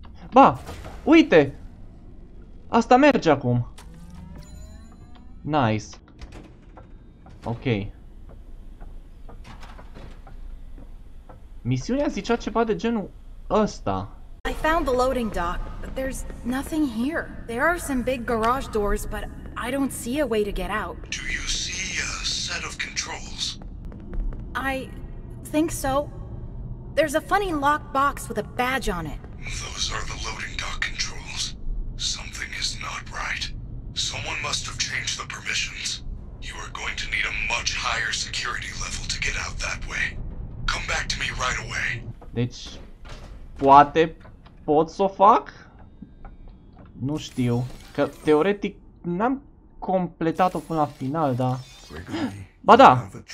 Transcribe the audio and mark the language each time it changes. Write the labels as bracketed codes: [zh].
[ro] Ba! Uite! Asta merge acum. Nice. Ok. Misiunea zicea ceva de genul ăsta. [en] I found the loading dock, but there's nothing here. There are some big garage doors, but I don't see a way to get out. Do you see a set of controls? I think so. There's a funny locked box with a badge on it. Those are the loading dock controls. Something is not right. Someone must have changed the permissions. You are going to need a much higher security level to get out that way. Come back to me right away. [ro] Deci, poate... Pot să o fac? Nu știu, că teoretic n-am completat-o până la final, dar... Ba da!